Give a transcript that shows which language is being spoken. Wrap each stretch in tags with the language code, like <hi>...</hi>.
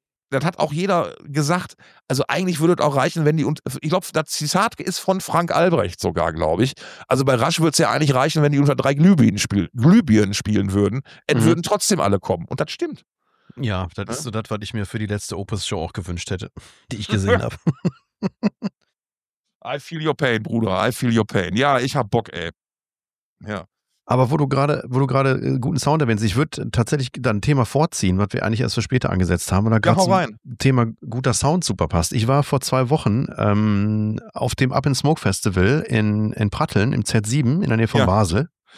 <de>Das hat auch jeder gesagt, also eigentlich würde es auch reichen, wenn die, und ich glaube, das Zitat ist von Frank Albrecht sogar, glaube ich. Also bei Rush würde es ja eigentlich reichen, wenn die unter drei Glühbirnen spielen würden, würden trotzdem alle kommen. Und das stimmt. Ja, das ist so das, was ich mir für die letzte Opus-Show auch gewünscht hätte, die ich gesehen habe.</de> <en>I feel your pain, Bruder, I feel your pain.</en> <de>Ja, ich hab Bock, ey. Ja. Aber wo du gerade guten Sound erwähnst, ich würde tatsächlich dann ein Thema vorziehen, was wir eigentlich erst für später angesetzt haben, oder gerade zum Thema guter Sound super passt. Ich war vor zwei Wochen auf dem Up in Smoke Festival in Pratteln im Z7 in der Nähe von Basel.</de>